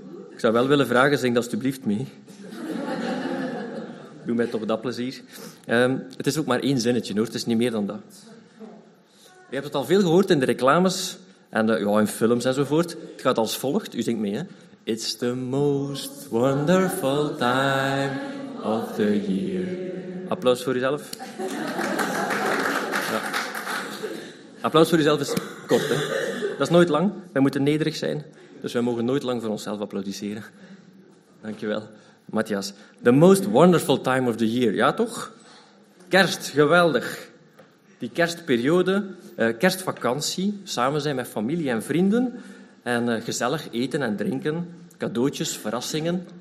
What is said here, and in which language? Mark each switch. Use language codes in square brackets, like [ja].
[nl] Ik zou wel willen vragen, zing dat alstublieft mee. Doe mij toch dat plezier. Het is ook maar één zinnetje, hoor. Het is niet meer dan dat. Je hebt het al veel gehoord in de reclames en in films enzovoort. Het gaat als volgt, u zingt mee, hè. [en] It's the most wonderful time of the year. [nl] Applaus voor uzelf. Ja. Applaus voor uzelf is kort, hè. Dat is nooit lang. Wij moeten nederig zijn, dus wij mogen nooit lang voor onszelf applaudisseren. Dankjewel, [en] Matthias. The most wonderful time of the year, [nl] ja toch? Kerst, geweldig. Die kerstperiode, kerstvakantie, samen zijn met familie en vrienden en gezellig eten en drinken, cadeautjes, verrassingen.